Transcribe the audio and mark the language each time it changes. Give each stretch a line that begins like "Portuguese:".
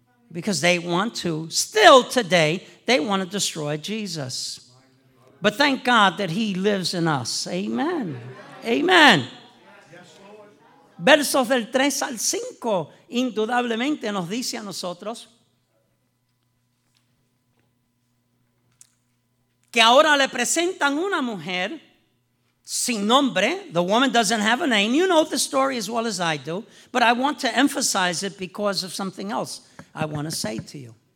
English: Because they want to, still today, they want to destroy Jesus. But thank God that he lives in us. Amen. Amen.
Spanish: Versos del 3 al 5, indudablemente nos dice a nosotros que ahora le presentan una mujer sin nombre.
English: The woman doesn't have a name. You know the story as well as I do, but I want to emphasize it because of something else I want to say to you.